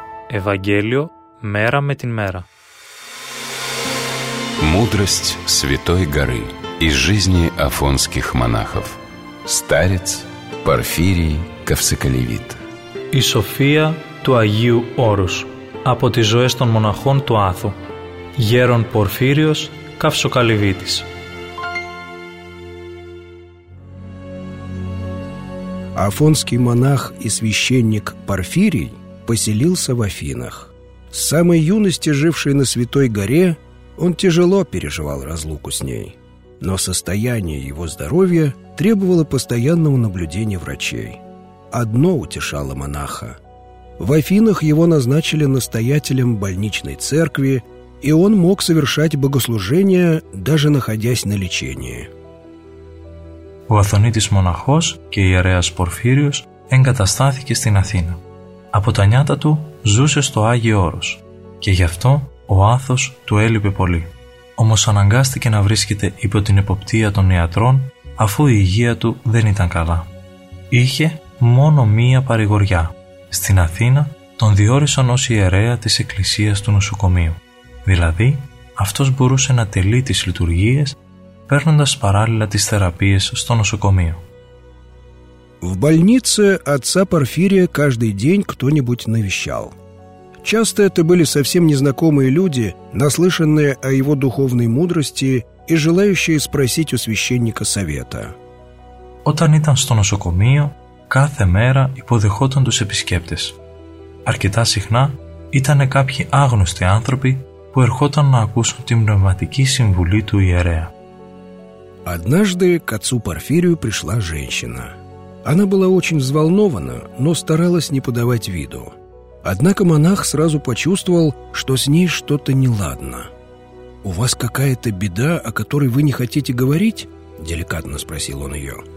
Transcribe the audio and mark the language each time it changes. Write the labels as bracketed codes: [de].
[ru] Евангелие мера με την мера. Мудрость Святой Горы из жизни афонских монахов. Старец Порфирий Ковсоколевит. [el] Η σοφία του Αγίου Όρους από τις ζωές των μοναχών του Άθου. Γέρον Πορφύριος Καυσοκαλυβίτης. [ru] Афонский монах и священник Порфирий поселился в Афинах. С самой юности, живший на Святой Горе, он тяжело переживал разлуку с ней. Но состояние его здоровья требовало постоянного наблюдения врачей. Одно утешало монаха. В Афинах его назначили настоятелем больничной церкви, и он мог совершать богослужения, даже находясь на лечении. [el] Ο Αθωνίτης μοναχός και ιερέας Πορφύριος εγκαταστάθηκε στην Αθήνα. Από τα νιάτα του ζούσε στο Άγιο Όρος και γι' αυτό ο άθος του έλειπε πολύ. Όμως αναγκάστηκε να βρίσκεται υπό την εποπτεία των ιατρών αφού η υγεία του δεν ήταν καλά. Είχε μόνο μία παρηγοριά. Στην Αθήνα τον διόρισαν ως ιερέα της εκκλησίας του νοσοκομείου. Δηλαδή αυτός μπορούσε να τελεί τις λειτουργίες παίρνοντας παράλληλα τις θεραπείες στο νοσοκομείο. [ru] В больнице отца Порфирия каждый день кто-нибудь навещал. Часто это были совсем незнакомые люди, наслышанные о его духовной мудрости и желающие спросить у священника совета. [el] Όταν ήταν στο νοσοκομείο, κάθε μέρα υποδεχόταν τους επισκέπτες. Αρκετά συχνά ήταν κάποιοι άγνωστοι άνθρωποι που ερχόταν να ακούσουν την πνευματική συμβουλή του ιερέα. [ru] Однажды к отцу Порфирию пришла женщина. Она была очень взволнована, но старалась не подавать виду. Однако монах сразу почувствовал, что с ней что-то неладно. «У вас какая-то беда, о которой вы не хотите говорить?» – деликатно спросил он ее.